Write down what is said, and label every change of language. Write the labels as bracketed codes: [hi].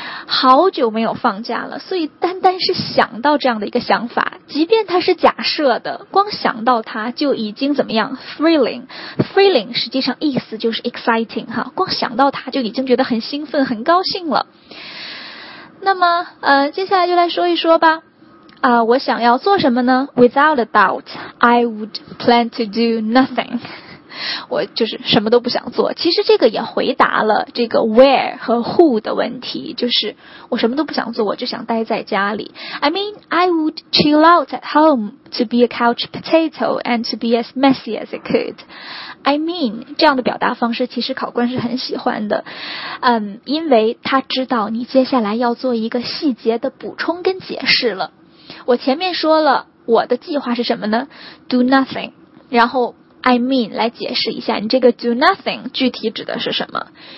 [zh] 好久没有放假了，所以单单是想到这样的一个想法，即便它是假设的，光想到它就已经怎么样 thrilling， thrilling 实际上意思就是 exciting 哈，光想到它就已经觉得很兴奋很高兴了。那么接下来就来说一说吧。我想要做什么呢？ [en] Without a doubt I would plan to do nothing。 [zh] 我就是什么都不想做。其实这个也回答了这个 where 和 who 的问题，就是我什么都不想做，我就想待在家里。 [en] I mean I would chill out at home to be a couch potato and to be as messy as it could. [zh] I mean 这样的表达方式其实考官是很喜欢的，因为他知道你接下来要做一个细节的补充跟解释了。我前面说了我的计划是什么呢？ do nothing， 然后I mean 来解释一下，你这个 do nothing 具体指的是什么？